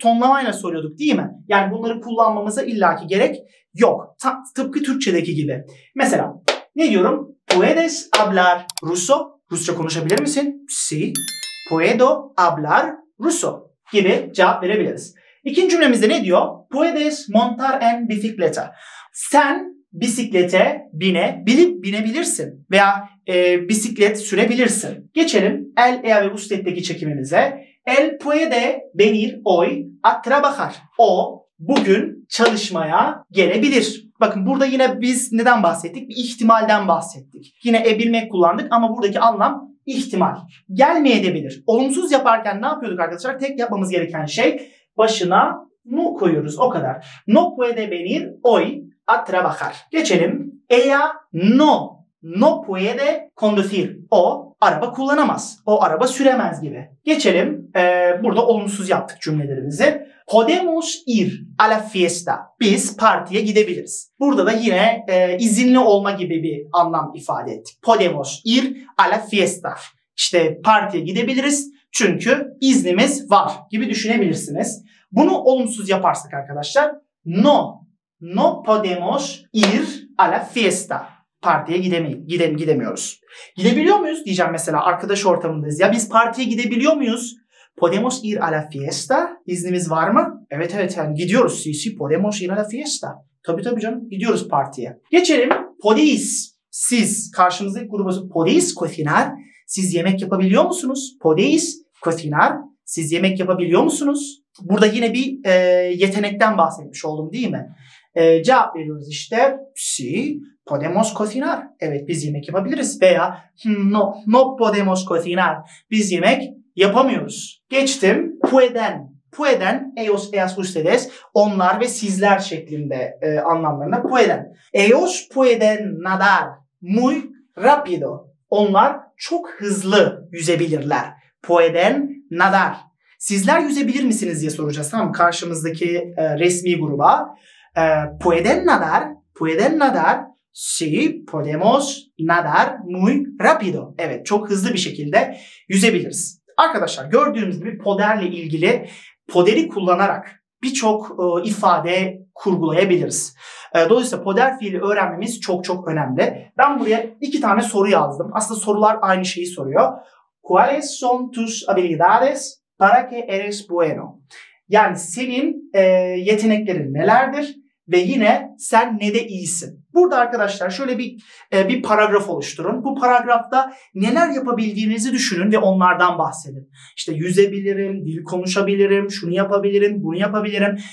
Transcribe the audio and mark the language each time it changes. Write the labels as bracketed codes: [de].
[tr] Tonlamayla soruyorduk değil mi? Yani bunları kullanmamıza illaki gerek yok. Tıpkı Türkçedeki gibi. Mesela ne diyorum? [es] Puedes hablar ruso? [tr] Rusça konuşabilir misin? [es] Sí. Puedo hablar ruso [tr] gibi cevap verebiliriz. İkinci cümlemizde ne diyor? [es] Puedes montar en bicicleta. [tr] Sen bisiklete binebilirsin veya bisiklet sürebilirsin. Geçelim el, ea ve usted'deki çekimimize. [es] El puede venir hoy a trabajar. [tr] O bugün çalışmaya gelebilir. Bakın burada yine biz neden bahsettik? Bir ihtimalden bahsettik. Yine ebilmek kullandık ama buradaki anlam ihtimal. Gelmeyebilir. Olumsuz yaparken ne yapıyorduk arkadaşlar? Tek yapmamız gereken şey başına no koyuyoruz o kadar. [es] No puede venir hoy a trabajar. [tr] Geçelim. [es] Ella no puede conducir. [tr] O araba kullanamaz. O araba süremez gibi. Geçelim. Burada olumsuz yaptık cümlelerimizi. [es] Podemos ir a la fiesta. [tr] Biz partiye gidebiliriz. Burada da yine izinli olma gibi bir anlam ifade ettik. [es] Podemos ir a la fiesta. [tr] İşte partiye gidebiliriz çünkü iznimiz var gibi düşünebilirsiniz. Bunu olumsuz yaparsak arkadaşlar no [es] No podemos ir a la fiesta. [tr] Partiye gidemiyoruz. Gidebiliyor muyuz diyeceğim mesela, arkadaş ortamındayız. Ya biz partiye gidebiliyor muyuz? [es] Podemos ir a la fiesta? [tr] İznimiz var mı? Evet evet, yani gidiyoruz. [es] Sí, sí, podemos ir a la fiesta. [tr] Tabii tabii canım, gidiyoruz partiye. Geçelim. Podéis. Siz. Karşımızdaki grubu. [es] Podéis cocinar. [tr] Siz yemek yapabiliyor musunuz? [es] Podéis cocinar. [tr] Siz yemek yapabiliyor musunuz? Burada yine bir yetenekten bahsetmiş oldum değil mi? Cevap veriyoruz işte. [es] Sí, podemos cocinar. [tr] Evet, biz yemek yapabiliriz. Veya [es] no, no podemos cocinar. [tr] Biz yemek yapamıyoruz. Geçtim. Pueden. [es] Pueden, ellos, ellas, ustedes. [tr] Onlar ve sizler şeklinde anlamlarında. [es] Pueden. Ellos pueden nadar muy rápido. [tr] Onlar çok hızlı yüzebilirler. [es] Pueden nadar. [tr] Sizler yüzebilir misiniz diye soracağız, tamam mı? Karşımızdaki resmi gruba. [es] Pueden nadar. Pueden nadar. Sí, podemos nadar muy rápido. [tr] Evet, çok hızlı bir şekilde yüzebiliriz. Arkadaşlar, gördüğünüz gibi poderle ilgili, poderi kullanarak birçok ifade kurgulayabiliriz. Dolayısıyla poder fiili öğrenmemiz çok çok önemli. Ben buraya iki tane soru yazdım. Aslında sorular aynı şeyi soruyor. [es] ¿Cuáles son tus habilidades para que eres bueno? [tr] Yani senin yeteneklerin nelerdir ve yine sen nede iyisin? Burada arkadaşlar şöyle bir paragraf oluşturun. Bu paragrafta neler yapabildiğinizi düşünün ve onlardan bahsedin. İşte yüzebilirim, dil konuşabilirim, şunu yapabilirim, bunu yapabilirim.